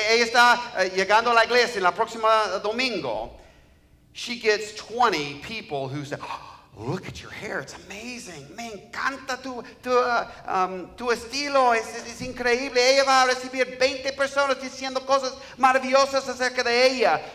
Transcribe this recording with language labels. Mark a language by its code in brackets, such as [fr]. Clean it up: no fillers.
[es] Ella está llegando a la iglesia en la próxima domingo. [en] She gets 20 people who say, look at your hair, it's amazing. [es] Me encanta tu estilo, es increíble. Ella va a recibir 20 personas diciendo cosas maravillosas acerca de ella.